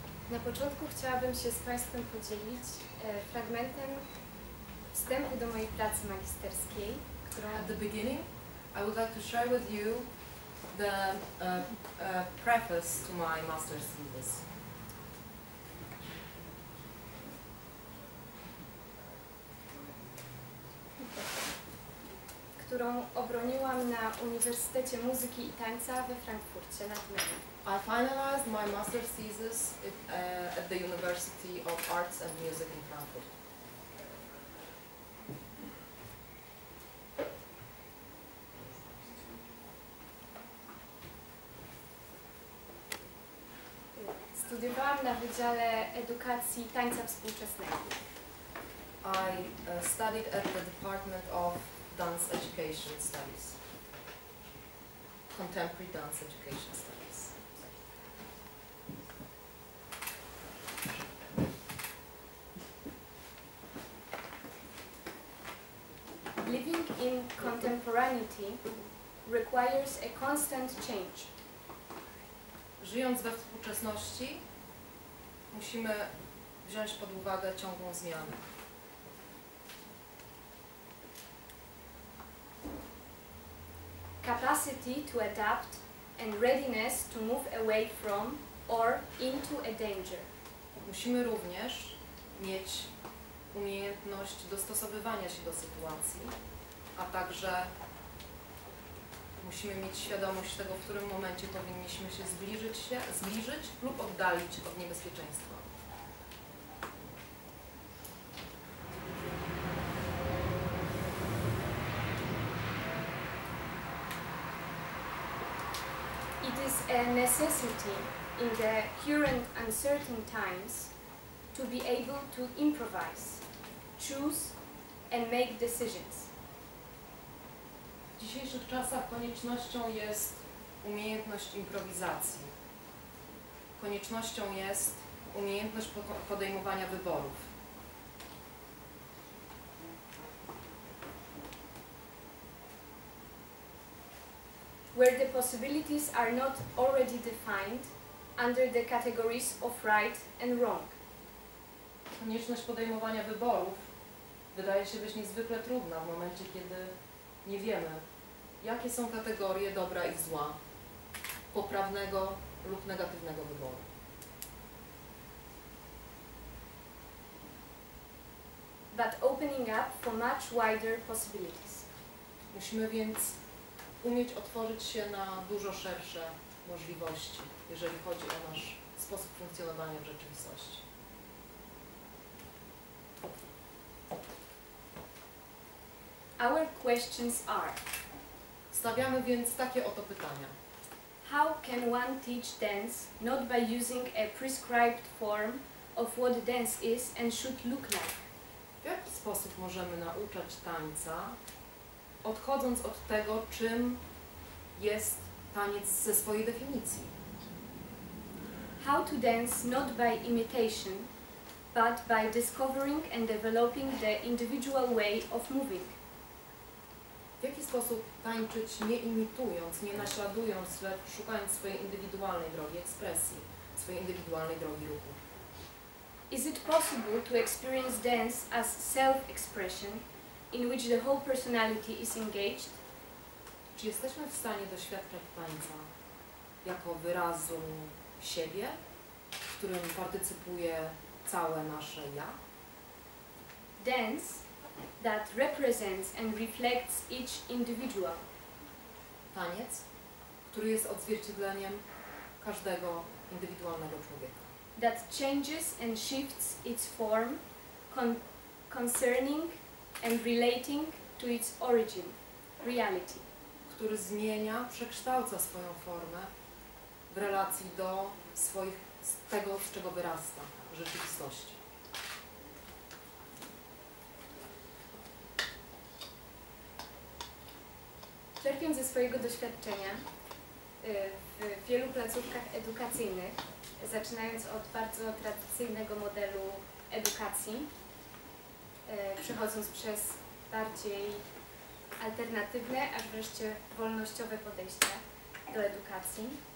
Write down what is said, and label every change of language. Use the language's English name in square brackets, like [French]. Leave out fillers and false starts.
[Polish] Na początku chciałabym się z Państwem podzielić fragmentem wstępu do mojej pracy magisterskiej, [English] At the beginning, I would like to share with you the preface to my master's thesis. [Polish] Którą obroniłam na Uniwersytecie Muzyki I Tańca we Frankfurcie nad Menem. [English] I finalized my master's thesis at the University of Arts and Music in Frankfurt. [Polish] Studiowałam na Wydziale Edukacji Tańca Współczesnego. [English] I studied at the Department of Dance Education Studies. Contemporary Dance Education Studies. Living in contemporaneity requires a constant change. [Polish] Żyjąc we współczesności, musimy wziąć pod uwagę ciągłą zmianę. [English] Capacity to adapt and readiness to move away from or into a danger. [Polish] Musimy również mieć umiejętność dostosowywania się do sytuacji, a także musimy mieć świadomość tego, w którym momencie powinniśmy się zbliżyć lub oddalić od niebezpieczeństwa. [English] A necessity in the current uncertain times to be able to improvise, choose and make decisions. [Polish] W dzisiejszych czasach koniecznością jest umiejętność improwizacji. Koniecznością jest umiejętność podejmowania wyborów. [English] Where the possibilities are not already defined under the categories of right and wrong. [Polish] Konieczność podejmowania wyborów wydaje się być niezwykle trudna w momencie, kiedy nie wiemy, jakie są kategorie dobra I zła, poprawnego lub negatywnego wyboru. [English] But opening up for much wider possibilities. [Polish] Musimy więc umieć otworzyć się na dużo szersze możliwości, jeżeli chodzi o nasz sposób funkcjonowania w rzeczywistości. [English] Our questions are. [Polish] Stawiamy więc takie oto pytania. [English] How can one teach dance not by using a prescribed form of what dance is and should look like? [Polish] W jaki sposób możemy nauczać tańca, odchodząc od tego, czym jest taniec ze swojej definicji. [English] How to dance not by imitation, but by discovering and developing the individual way of moving. [Polish] W jaki sposób tańczyć nie imitując, nie naśladując, lecz szukając swojej indywidualnej drogi ekspresji, swojej indywidualnej drogi ruchu. [English] Is it possible to experience dance as self-expression, in which the whole personality is engaged? [Polish] Czy jesteśmy w stanie doświadczać tańca jako wyrazu siebie, w którym partycypuje całe nasze ja? [English] Dance that represents and reflects each individual. [Polish] Taniec, który jest odzwierciedleniem każdego indywidualnego człowieka. [English] That changes and shifts its form concerning and relating to its origin, reality. [Polish] Który zmienia, przekształca swoją formę w relacji do swoich, z tego, z czego wyrasta, rzeczywistości. Czerpiąc ze swojego doświadczenia w wielu placówkach edukacyjnych, zaczynając od bardzo tradycyjnego modelu edukacji, przechodząc przez bardziej alternatywne, aż wreszcie wolnościowe podejście do edukacji.